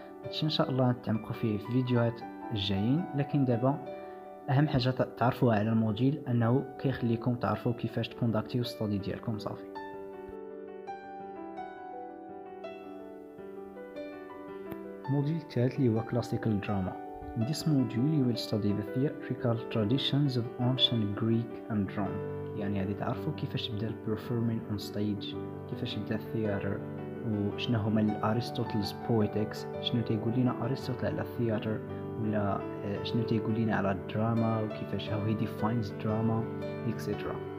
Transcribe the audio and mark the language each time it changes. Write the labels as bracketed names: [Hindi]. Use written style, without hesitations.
[Arabic] هادشي ان شاء الله نتعمقو فيه في فيديوهات الجايين, لكن دابا اهم حاجه تعرفوها على الموديل انه كيخليكم تعرفوا كيفاش [English] تكونداكتيو ستادي [Arabic] ديالكم. صافي, موديل الثالث اللي هو كلاسيكال دراما. [English] In this module you will study the theatrical traditions of ancient Greek and Rome. [Arabic] يعني غادي تعرفوا كيفاش بدا [English] البرفورمين on stage, [Arabic] كيفاش بدا الثياتر, وشنو هما الارستوتلز بويتكس, شنو تيقول لنا ارستوتل على الثياتر, ولا شنو تيقول لنا على الدراما وكيفاش [English] How he defines drama extra.